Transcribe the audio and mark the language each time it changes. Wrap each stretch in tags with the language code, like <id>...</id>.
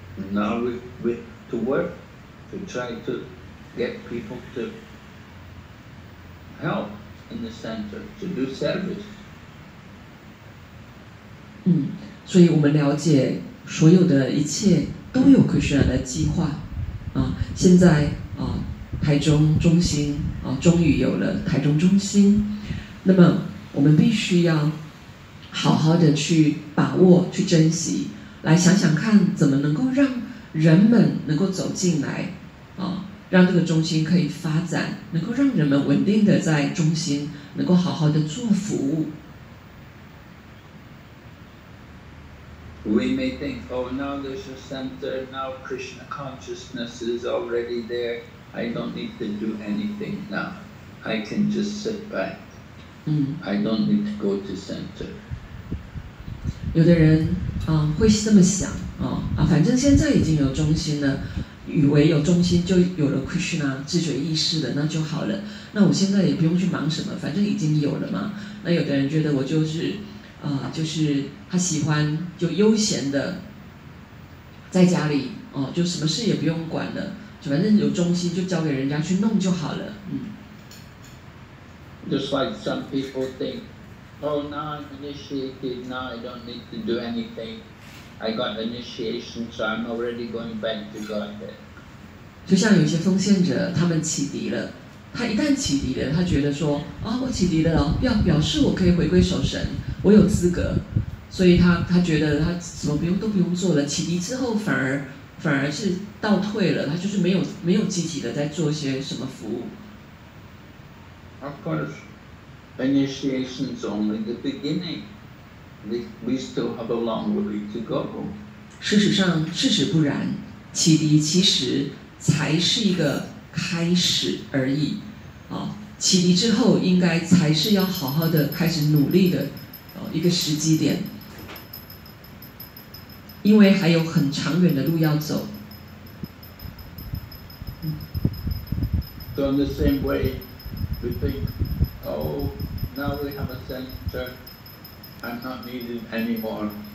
<en>Now we to work to try to get people to help in the center to do service.</en> <zh>所以我们了解所有的一切都有 Krishna 的计划现在台中中心终于有了台中中心，那么我们必须要好好的去把握，去珍惜，来想想看怎么能够让人们能够走进来让这个中心可以发展，能够让人们稳定的在中心能够好好的做服务。</zh> <en>We may think, oh, now there's a center, now Krishna consciousness is already there. I don't need to do anything now. I can just sit back. I don't need to go to center.</en> <zh>有的人会这么想反正现在已经有中心了，以为有中心就有了 Krishna 自觉意识的，那就好了。那我现在也不用去忙什么，反正已经有了嘛。那有的人觉得我就是。就是他喜欢就悠闲的在家里就什么事也不用管了，就反正有中心就交给人家去弄就好了。</zh> <en>Just like some people think, oh, now I'm initiated, now I don't need to do anything. I got initiation, so I'm already going back to Godhead.</en> <zh>就像有些奉献者他们启迪了，他一旦启迪了，他觉得说我启迪了，表示我可以回归守神，我有资格，所以他觉得他什么都不用做了，启迪之后反而是倒退了，他就是没有积极的在做些什么服务。</zh> <en>Of course, initiation is only the beginning. We still have a long way to go.</en> <zh>事实不然，启迪其实才是一个开始而已启迪之后应该才是要好好的开始努力的一个时机点，因为还有很长远的路要走。</zh> <en>So in the same way, we think, oh, now we have a center, I'm not needed anymore.</en>